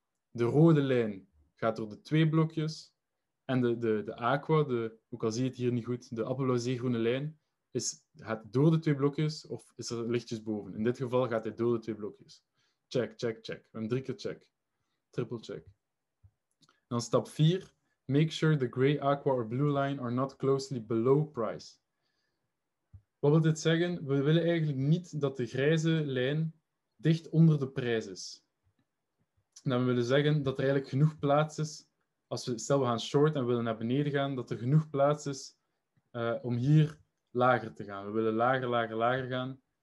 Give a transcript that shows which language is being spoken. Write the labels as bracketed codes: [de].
[nl] De rode lijn gaat door de twee blokjes. En de aqua, ook al zie je het hier niet goed, de appelblauw zeegroene lijn, gaat door de twee blokjes of is er lichtjes boven? In dit geval gaat hij door de twee blokjes. Check, check, check. We hebben drie keer check. [en] Triple check. [nl] Dan stap 4. [en] Make sure the gray, aqua or blue line are not closely below price. [nl] Wat wil dit zeggen? We willen eigenlijk niet dat de grijze lijn dicht onder de prijs is. Dan willen we zeggen dat er eigenlijk genoeg plaats is. Stel we gaan short en we willen naar beneden gaan, dat er genoeg plaats is om hier lager te gaan. We willen lager, lager, lager gaan.